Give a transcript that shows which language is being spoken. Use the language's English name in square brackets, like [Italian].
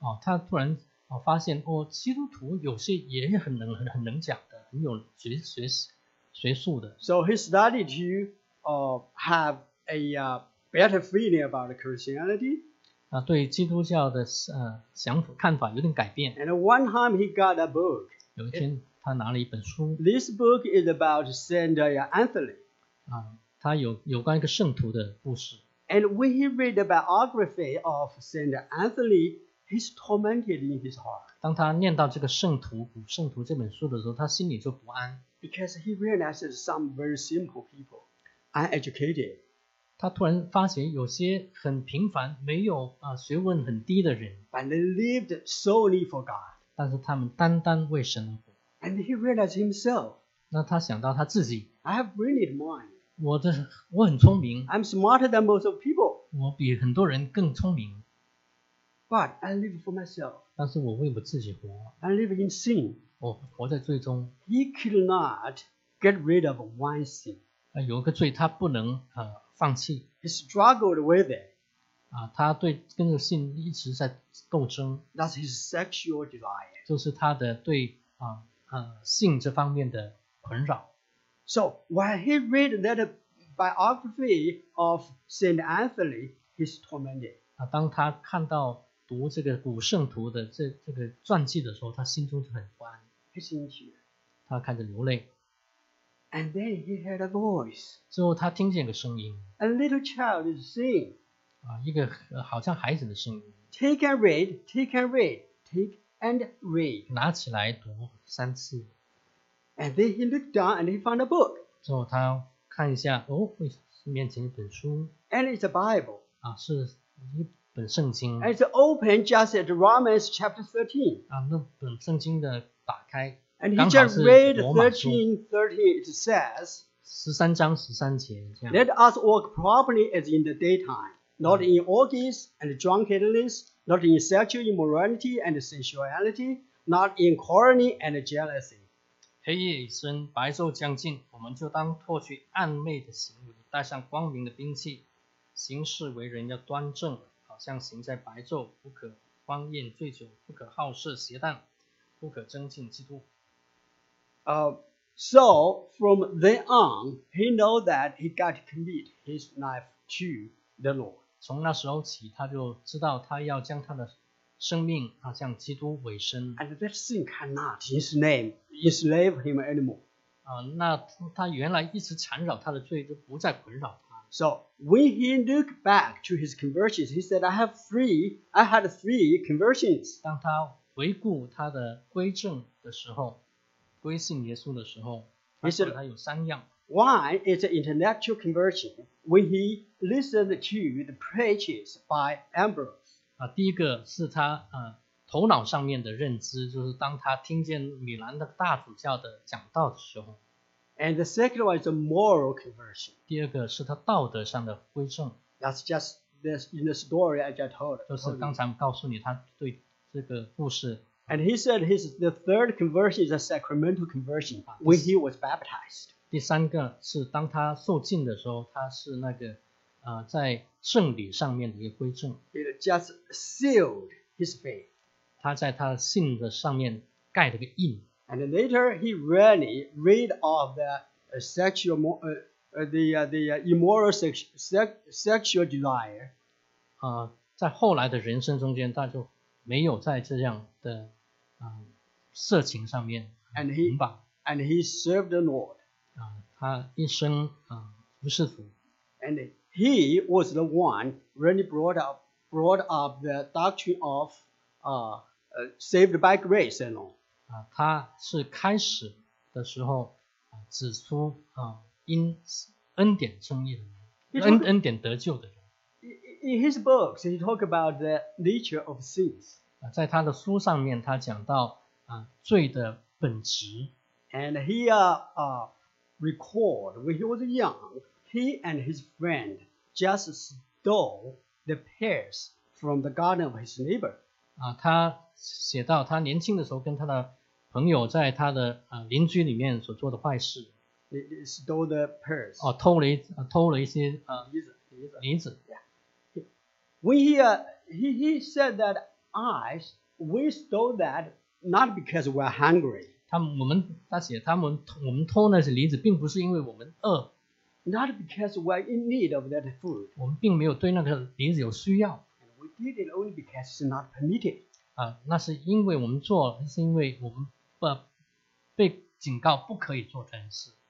[Chinese] 他突然发现基督徒有些也很能讲的，很有学术的。 [English] So he started to have a better feeling about Christianity. [Chinese] 对基督教的想法看法有点改变。 [English] And one time he got a book. [Chinese] 有一天他拿了一本书。 [English] This book is about Saint Anthony. [Chinese] 他有关一个圣徒的故事。 [English] And when he read the biography of Saint Anthony, he's tormented in his heart. [Chinese] 当他念到这个古圣徒这本书的时候，他心里就不安。 [English] Because he realizes some very simple people, uneducated. [Chinese] 他突然发现有些很平凡，没有学问很低的人。 [English] But they lived solely for God. [Chinese] 但是他们单单为神。 [English] And he realized himself. [Chinese] 那他想到他自己。 [English] I have brilliant mind. [Chinese] 我很聪明。 [English] I'm smarter than most of people. [Chinese] 我比很多人更聪明。 [English] But I live for myself. [Chinese] 但是我为我自己活。 [English] I live in sin. [Chinese] 我活在罪中。 [English] He could not get rid of one sin. [Chinese] 有个罪他不能放弃。 [English] He struggled with it. [Chinese] 他对跟着性一直在斗争。 [English] That's his sexual desire. [Chinese] 就是他的对性这方面的困扰。 [English] So, when he read that biography of Saint Anthony, he's tormented. [Chinese] 当他看到读这个古圣徒的这个传记的时候，他心中就很不安。 [English] He's in tears. [Chinese] 他开始流泪。 [English] And then he heard a voice. [Chinese] 之后他听见个声音。 [English] A little child is singing. [Chinese] 一个好像孩子的声音。 [English] Take and read, take and read, take. And read. [Chinese] 拿起来读三次。 [English] And then he looked down and he found a book. [Chinese] 之后他看一下，面前一本书。 [English] And it's a Bible. [Chinese] 是一本圣经。 [English] And it's open just at Romans chapter 13. [Chinese] 那本圣经的打开。 [English] And he just read 13:13. It says, [Chinese] 13章13节这样。 [English] Let us walk properly as in the daytime, not in orgies and drunkenness. Not in sexual immorality and sensuality, not in quarreling and jealousy. [Chinese] 黑夜已深，白昼将近，我们就当脱去暧昧的行为，带上光明的兵器，行事为人要端正，好像行在白昼，不可荒宴醉酒，不可好色邪淡，不可增进嫉妒。 [English] So from then on, he know that he got to commit his life to the Lord. [Chinese] 从那时候起，他就知道他要将他的生命向基督委身。 [English] And that sin cannot enslave him anymore. [Chinese] 那他原来一直缠绕他的罪就不再困扰他。 [English] So when he looked back to his conversions, he said, I had three conversions. [Chinese] 当他回顾他的归正的时候，归信耶稣的时候，他说他有三样。 [English] One is an intellectual conversion when he listened to the preaches by Ambrose. [Chinese] 第一个是他头脑上面的认知，就是当他听见米兰的大主教的讲道的时候。 [English] And the second one is a moral conversion. [Chinese] 第二个是他道德上的归正。 [English] That's just this in the story I just told. [Chinese] 就是刚才告诉你他对这个故事。 [English] And he said the third conversion is a sacramental conversion when he was baptized. [Chinese] 第三个是当他受浸的时候，他是那个在圣礼上面的一个归正。 [English] It just sealed his faith. [Chinese] 他在他的信的上面盖了个印。 [English] And later he really read of the sexual the immoral sexual desire. [Chinese] 在后来的人生中间，他就没有在这样的色情上面捆绑。 [English] And he served the Lord. [Chinese] 他一生服侍主。 [English] And he was the one really brought up the doctrine of saved by grace and all. [Chinese] 他是开始的时候指出因恩典称义的人，恩典得救的人。 [English] In his books, he talked about the nature of sins. [Chinese] 在他的书上面，他讲到罪的本质。 [English] And he recalled when he was young, he and his friend just stole the pears from the garden of his neighbor. [Chinese] 他写到他年轻的时候跟他的朋友在他的邻居里面所做的坏事。 [English] He stole the pears. [Chinese] 偷了一些梨子。 [English] When he said that we stole that not because we're hungry. [Chinese] 他写我们偷那些梨子，并不是因为我们饿。 [English] Not because we're in need of that food. [Chinese] 我们并没有对那个梨子有需要。 [English] And we did it only because it's not permitted. [Chinese] 那是因为我们做，是因为我们被警告不可以做这件事。